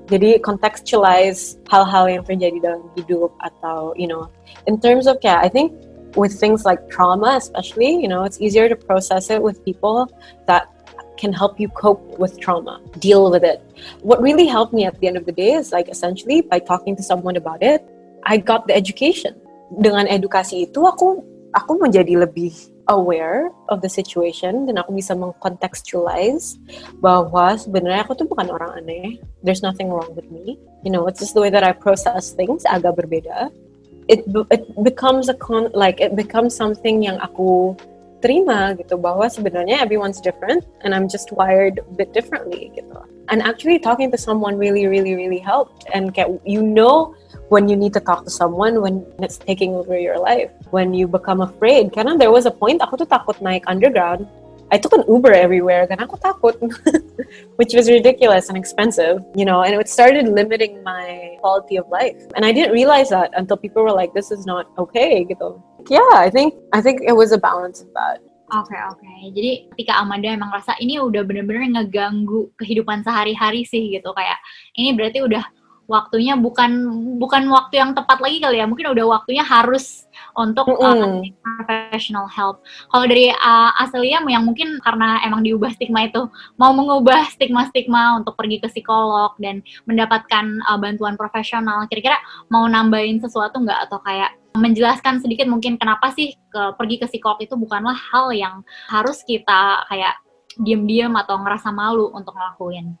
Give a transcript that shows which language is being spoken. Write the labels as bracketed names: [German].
[Indonesian] Jadi contextualize hal-hal yang terjadi dalam hidup atau, [English] you know, in terms of, yeah, I think with things like trauma especially, you know, it's easier to process it with people that can help you cope with trauma, deal with it. What really helped me at the end of the day is like essentially by talking to someone about it, I got the education. [Indonesian] Dengan edukasi itu aku menjadi lebih [English] aware of the situation [Indonesian] dan aku bisa mengcontextualize bahwa sebenarnya aku tuh bukan orang aneh. [English] There's nothing wrong with me. You know, it's just the way that I process things [Indonesian] agak berbeda. [English] It becomes something [Indonesian] yang aku terima gitu, bahwa sebenarnya [English] everyone's different and I'm just wired a bit differently gitu. And actually talking to someone really really really helped and get, you know, when you need to talk to someone, when it's taking over your life, when you become afraid. Karena there was a point [Indonesian] aku tuh takut naik [English] underground. I took an Uber everywhere [Indonesian] karena aku takut, [English] which was ridiculous and expensive, you know, and it started limiting my quality of life. And I didn't realize that until people were like, this is not okay, gitu. Yeah, I think it was a balance of that. Okay. [Indonesian] Jadi ketika Amanda emang rasa ini udah benar-benar ngeganggu kehidupan sehari-hari sih gitu, kayak ini berarti udah waktunya bukan waktu yang tepat lagi kali ya, mungkin udah waktunya harus untuk [English] professional help. [Indonesian] Kalau dari Aselia yang mungkin karena emang diubah stigma itu, mau mengubah stigma-stigma untuk pergi ke psikolog dan mendapatkan bantuan profesional, kira-kira mau nambahin sesuatu nggak, atau kayak menjelaskan sedikit mungkin kenapa sih pergi ke psikolog itu bukanlah hal yang harus kita kayak diem-diem atau ngerasa malu untuk ngelakuin?